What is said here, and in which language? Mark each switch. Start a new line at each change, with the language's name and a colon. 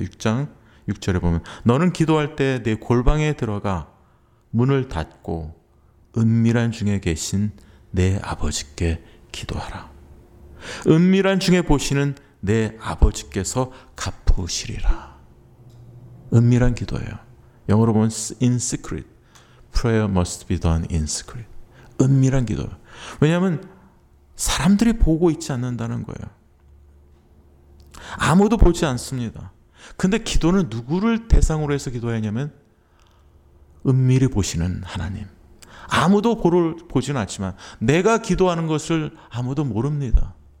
Korean: 6장 6절에 보면 너는 기도할 때 내 골방에 들어가 문을 닫고 은밀한 중에 계신 내 아버지께 기도하라. 은밀한 중에 보시는 내 아버지께서 갚으시리라. 은밀한 기도예요. 영어로 보면
English: in secret. Prayer must be done in secret.
Korean: 은밀한 기도예요. 왜냐하면 사람들이 보고 있지 않는다는 거예요. 아무도 보지 않습니다. 근데 기도는 누구를 대상으로 해서 기도하냐면 은밀히 보시는 하나님. 아무도 보지는 않지만 내가 기도하는 것을 아무도 모릅니다.